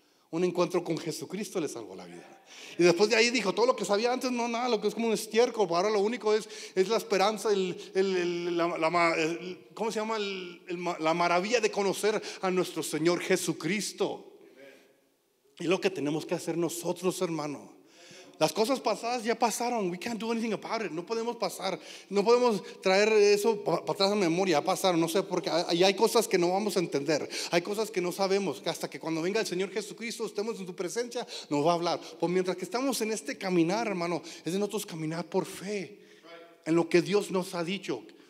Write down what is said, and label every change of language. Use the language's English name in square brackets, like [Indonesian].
[Spanish] Un encuentro con Jesucristo le salvó la vida. Y después de ahí dijo, todo lo que sabía antes, no, nada, lo que es como un estiércol, ahora lo único es la esperanza, la maravilla de conocer a nuestro Señor Jesucristo. Y lo que tenemos que hacer nosotros, hermano. Las cosas pasadas ya pasaron. [English] We can't do anything about it. [Spanish] No podemos pasar. No podemos traer eso para atrás en memoria. Ya pasaron. No sé por qué. Y hay cosas que no vamos a entender. Hay cosas que no sabemos. Hasta que cuando venga el Señor Jesucristo, estemos en su presencia, nos va a hablar. Pues mientras que estamos en este caminar, hermano, es de nosotros caminar por fe en lo que Dios nos ha dicho.